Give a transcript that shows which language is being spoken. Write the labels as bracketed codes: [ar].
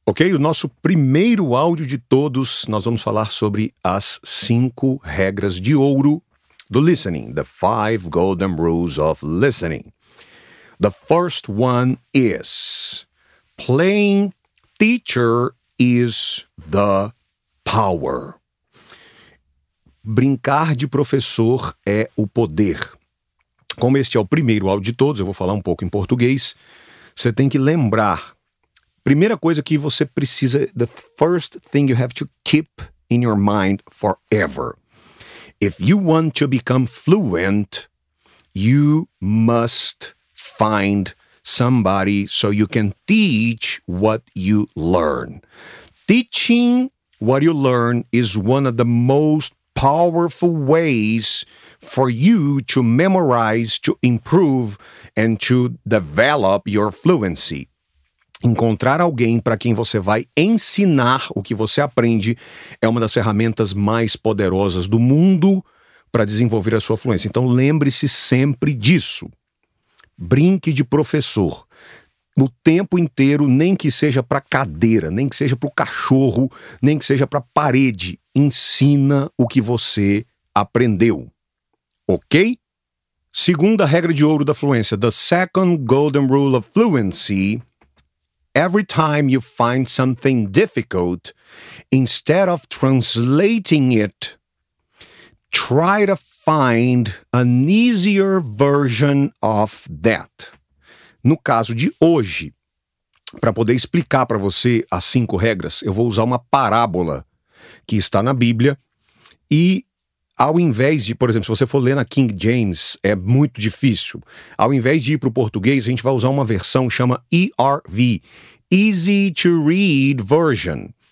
[pt] Ok, o nosso primeiro áudio de todos, nós vamos falar sobre as cinco regras de ouro do listening. [en] The five golden rules of listening. The first one is, playing teacher is the power. [pt] Brincar de professor é o poder. Como este é o primeiro áudio de todos, eu vou falar um pouco em português. Você tem que lembrar, primeira coisa que você precisa, [en] the first thing you have to keep in your mind forever. If you want to become fluent, you must find somebody so you can teach what you learn. Teaching what you learn is one of the most powerful ways for you to memorize, to improve, and to develop your fluency. [pt] Encontrar alguém para quem você vai ensinar o que você aprende é uma das ferramentas mais poderosas do mundo para desenvolver a sua fluência. Então lembre-se sempre disso. Brinque de professor. O tempo inteiro, nem que seja para cadeira, nem que seja para o cachorro, nem que seja para parede, ensina o que você aprendeu. Ok? Segunda regra de ouro da fluência. [en] The second golden rule of fluency. Every time you find something difficult, instead of translating it, try to find an easier version of that. [pt] No caso de hoje, para poder explicar para você as cinco regras, eu vou usar uma parábola que está na Bíblia. E ao invés de, por exemplo, se você for ler na King James, é muito difícil. Ao invés de ir para o português, a gente vai usar uma versão que chama ERV, Easy to Read Version.